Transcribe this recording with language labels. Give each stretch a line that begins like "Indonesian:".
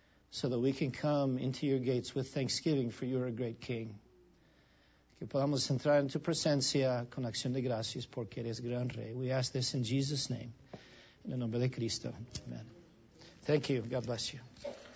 English: So that we can come into your gates with thanksgiving, for you are a great king.
Spanish: Que podamos entrar en tu presencia con acción de gracias, porque eres gran rey.
English: We ask this in Jesus' name, in the name of Cristo. Amen. Thank you. God bless you.